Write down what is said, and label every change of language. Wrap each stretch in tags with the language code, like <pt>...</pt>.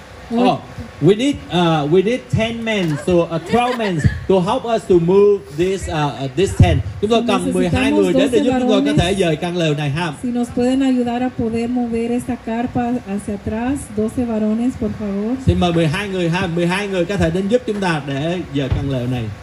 <en>Oh, we need 10 men, so 12 men to help us to move this this tent.</en> <vi>Chúng tôi cần 12 người đến để giúp chúng tôi có thể dời căn lều này ha.</vi> <es>Si nos pueden ayudar a poder mover esta carpa hacia atrás, 12 varones, por favor.</es> <vi>Xin mời 12 người ha, 12 người có thể đến giúp chúng ta để dời căn lều này.</vi>